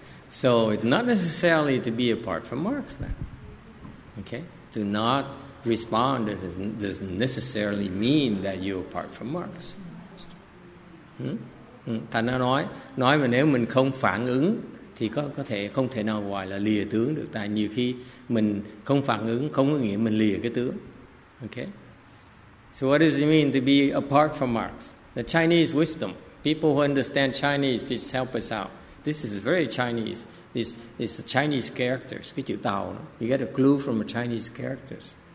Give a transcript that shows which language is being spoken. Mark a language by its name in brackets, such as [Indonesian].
[English] So it's not necessarily to be apart from Marx then. Okay? To not respond doesn't necessarily mean that you're apart from Marx. [Vietnamese] Thầy nói mà nếu mình không phản ứng thì có thể không thể nào gọi là lìa tướng được. Tại nhiều khi mình không phản ứng không có nghĩa mình lìa cái tướng. [English] Okay? So what does it mean to be apart from Marx? The Chinese wisdom. People who understand Chinese, please help us out. This is very Chinese. It's a Chinese character. [Vietnamese] Cái chữ tàu, [English] no? You get a clue from a Chinese characters.